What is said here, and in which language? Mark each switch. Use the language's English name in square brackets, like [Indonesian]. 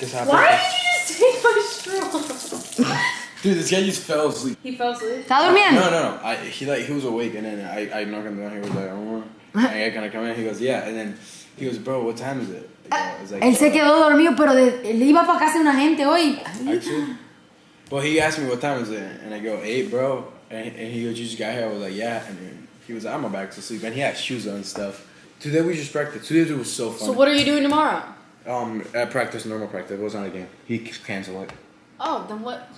[English] Because I. Why did you just take my straw? Dude, this guy just fell asleep. He fell asleep. [Spanish] ¿Estaba durmiendo? [English] No. He was awake, and then I knocked him down. He was like, "Oh, I gotta come in." He goes, "Yeah," and then he goes, "Bro, what time is it?" [Spanish] Él se quedó dormido, pero él iba para casa de una gente hoy. [English] Well, he asked me what time is it, and I go, 8, bro. And he goes, you just got here? I was like, yeah. And he was like, I'm back to sleep. And he had shoes on and stuff. Today we just practiced. Today it was so fun. So what are you doing tomorrow? I practice, normal practice. It was not a game. He canceled it. Oh, then what?